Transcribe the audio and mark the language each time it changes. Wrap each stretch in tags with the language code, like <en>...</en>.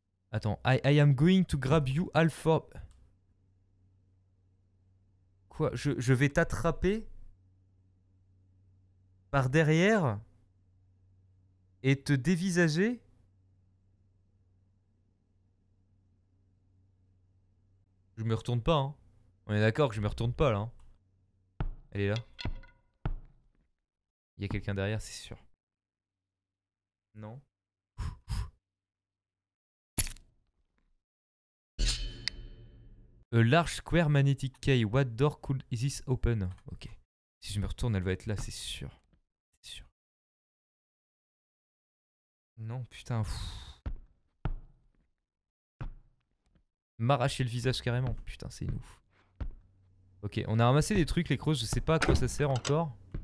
<en>Attends, I am going to grab you, Alpha.</en> <fr>Quoi, je vais t'attraper par derrière et te dévisager. Je me retourne pas, hein. On est d'accord que je me retourne pas, là. Elle est là. Il y a quelqu'un derrière, c'est sûr. Non.</fr> <en>A large square magnetic key. What door could this open? Ok.</en> <fr>Si je me retourne, elle va être là, c'est sûr. C'est sûr. Non, putain. M'arracher le visage carrément. Putain, c'est ouf. Ok, on a ramassé des trucs, les crocs. Je sais pas à quoi ça sert encore.</fr>